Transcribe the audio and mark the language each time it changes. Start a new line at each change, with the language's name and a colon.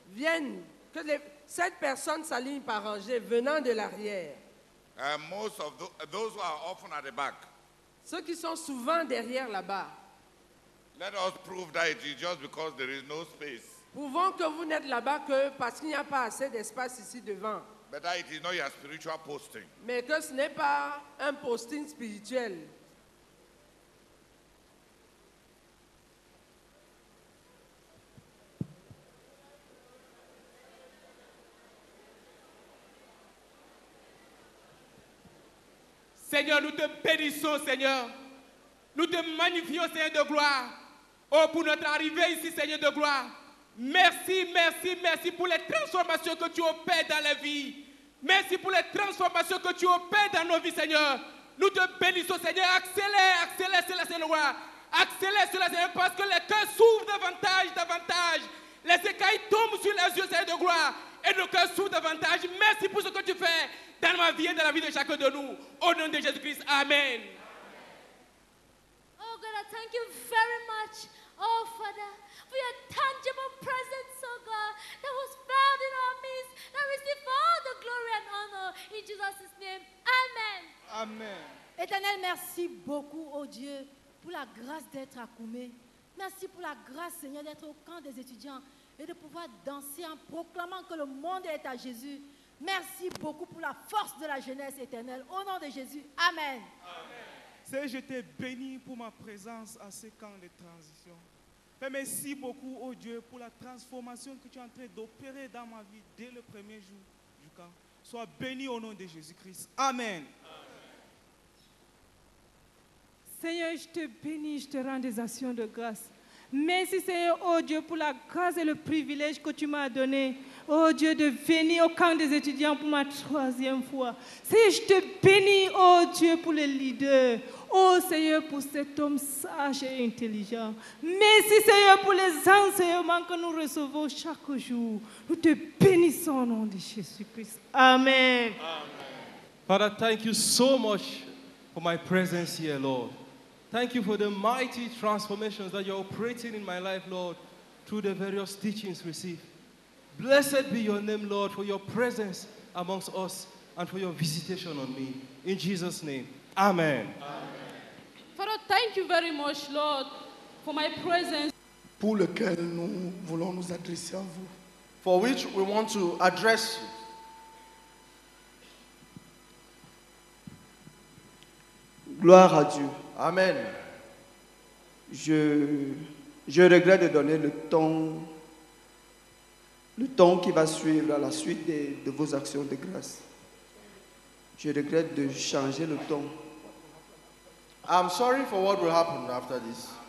French: Viennent, que les 7 personnes s'alignent par rangée venant de l'arrière.
English: Most of those who are often at the back.
French: Ceux qui sont souvent derrière là-bas.
English: Let us prove that it is just because there is no space.
French: Prouvons que vous n'êtes là-bas que parce qu'il n'y a pas assez d'espace ici devant.
English: But that it is not your spiritual posting.
French: Mais que ce n'est pas un posting spirituel. Seigneur, nous te bénissons, Seigneur. Nous te magnifions, Seigneur de gloire. Oh, pour notre arrivée ici, Seigneur de gloire. Merci, merci, merci pour les transformations que tu opères dans la vie. Merci pour les transformations que tu opères dans nos vies, Seigneur. Nous te bénissons, Seigneur. Accélère, accélère, cela, Seigneur. Accélère, cela, Seigneur, parce que les cœurs s'ouvrent davantage, davantage. Les écailles tombent sur les yeux, Seigneur de gloire. Et nos cœurs s'ouvrent davantage. Merci pour ce que tu fais dans ma vie et dans la vie de chacun de nous. Au nom de Jésus-Christ, amen.
English: Oh God, I thank you very much, oh Father, for your tangible presence, oh God, that was found in our midst, that received all the glory and honor in Jesus' name. Amen. Amen.
French: Éternel, merci beaucoup, oh Dieu, pour la grâce d'être à Koume. Merci pour la grâce, Seigneur, d'être au camp des étudiants et de pouvoir danser en proclamant que le monde est à Jésus. Merci beaucoup pour la force de la jeunesse éternelle. Au nom de Jésus, amen. Amen. Seigneur, je t'ai béni pour ma présence à ce camp de transition. Mais merci beaucoup, oh Dieu, pour la transformation que tu es en train d'opérer dans ma vie dès le premier jour du camp. Sois béni au nom de Jésus-Christ. Amen. Amen. Seigneur, je te bénis, je te rends des actions de grâce. Merci Seigneur, oh Dieu, pour la grâce et le privilège que tu m'as donné. Oh Dieu, de venir au camp des étudiants pour ma troisième fois. Seigneur, je te bénis, oh Dieu, pour les leaders. Oh Seigneur, pour cet homme sage et intelligent. Merci Seigneur, pour les enseignements que nous recevons chaque jour. Nous te bénissons au nom de Jésus-Christ. Amen. Amen.
English: Father, thank you so much for my presence here, Lord. Thank you for the mighty transformations that you're operating in my life, Lord, through the various teachings received. Blessed be your name, Lord, for your presence amongst us and for your visitation on me. In Jesus' name, amen. Amen. Father, thank you very much, Lord, for my presence.
French: Pour lequel nous voulons nous adresser à vous.
English: For which we want to address you.
French: Gloire à Dieu. Amen. Je regrette de donner le ton qui va suivre à la suite de vos actions de grâce. Je regrette de changer le ton.
English: I'm sorry for what will happen after this.